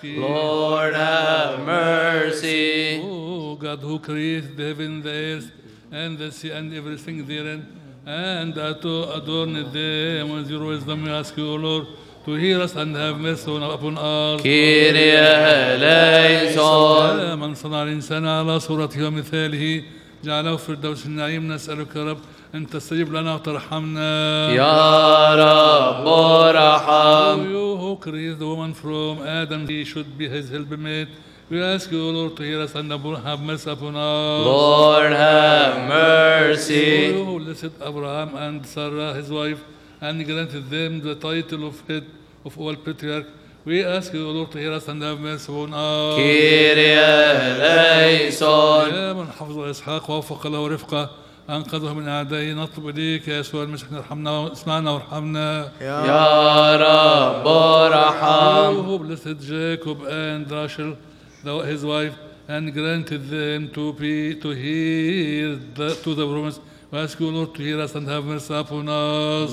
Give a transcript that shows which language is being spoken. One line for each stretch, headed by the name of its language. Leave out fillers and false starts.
English: Lord, have mercy. O God, who created heaven, the earth, and the sea, and everything therein, and to adorn them with your wisdom, we ask you, O Lord, to hear us and have mercy upon us.
Greek: Kyrie eleison.
Arabic: من صنع الإنسان على صورته ومثاله جعله في الدوس النعيم نسألك رب أنت تستجب لنا وترحمنا يا رب ارحم.
English: Who created the woman from Adam, he should be his helpmate. We ask you, Lord, to hear us and have mercy upon us. Lord, have mercy. Who blessed Abraham and Sarah, his wife, and granted them the title of head of all patriarchs. We ask you, Lord, to hear us and have mercy upon us.
Greek: Kyrie eleison.
Arabic: يا من حفظ إسحاق ووفق له ورفقه أنقذه من أعدائه نطلب إليك يا يسوع المسيح ارحمنا واسمعنا وارحمنا يا رب ارحم.
English: Who blessed Jacob and Rachel, his wife, and granted them to hear the promise. We ask you, Lord, to hear us and have mercy upon us.